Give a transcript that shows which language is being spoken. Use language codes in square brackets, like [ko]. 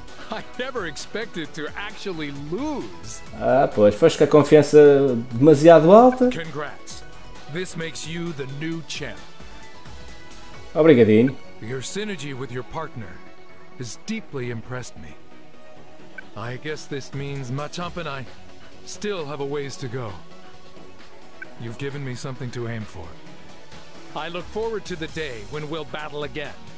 [en] I never expected to actually lose. [pt] Ah, pois, foi com a confiança demasiado alta. [en] Congrats. This makes you the new champ. [pt] Obrigadinho. [en] Your synergy with your partner has deeply impressed me. I guess this means Machamp and I still have a ways to go. You've given me something to aim for. I look forward to the day when we'll battle again.